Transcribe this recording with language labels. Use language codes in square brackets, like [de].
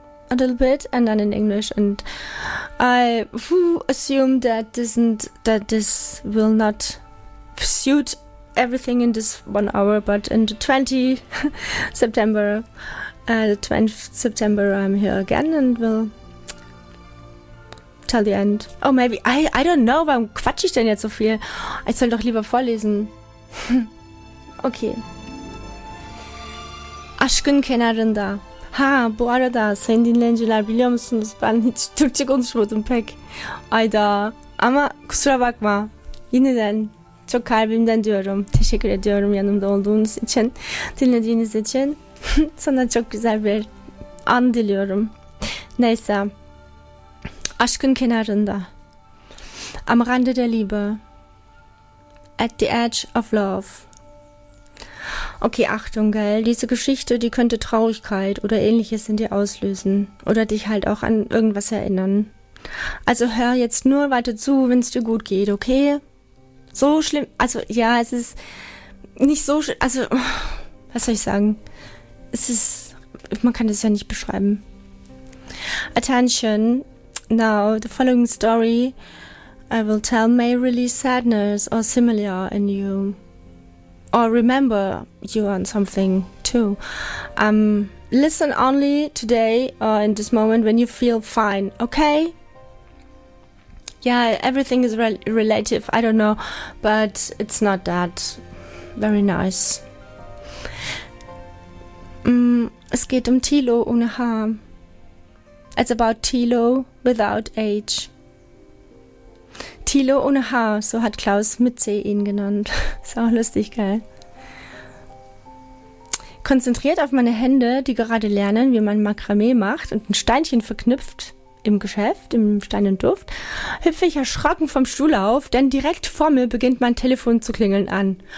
[en] A little bit, and then in English, and I assume that this will not suit everything in this 1 hour, but in the 20th September, I'm here again and will tell the end. Oh, maybe, I don't know, [de] warum quatsche ich denn jetzt so viel? Ich soll doch lieber vorlesen. Okay. [tr] Aşkın kenarında. Ha, bu arada seni dinleyiciler biliyor musunuz? Ben hiç Türkçe konuşmadım pek. Ayda. Ama kusura bakma. Yeniden çok kalbimden diyorum. Teşekkür ediyorum yanımda olduğunuz için. Dinlediğiniz için. Sana çok güzel bir an diliyorum. Neyse. Aşkın kenarında. [de] Am Rande der Liebe. [en] At the edge of love. [de] Okay, Achtung, gell, diese Geschichte, die könnte Traurigkeit oder Ähnliches in dir auslösen oder dich halt auch an irgendwas erinnern. Also hör jetzt nur weiter zu, wenn es dir gut geht, okay? So schlimm, also ja, es ist nicht so schlimm, also, was soll ich sagen? Es ist, man kann das ja nicht beschreiben. [en] Attention, now the following story I will tell may release sadness or similar in you. Or remember you on something too. Listen only today or in this moment when you feel fine, okay? Yeah, everything is relative, I don't know, but it's not that very nice. [de] Es geht Thilo ohne H. [en] It's about Thilo without H. [de] Thilo ohne H, so hat Klaus mit C ihn genannt. Ist auch lustig, gell? Konzentriert auf meine Hände, die gerade lernen, wie man Makramee macht und ein Steinchen verknüpft, im Geschäft, im Stein und Duft, hüpfe ich erschrocken vom Stuhl auf, denn direkt vor mir beginnt mein Telefon zu klingeln an.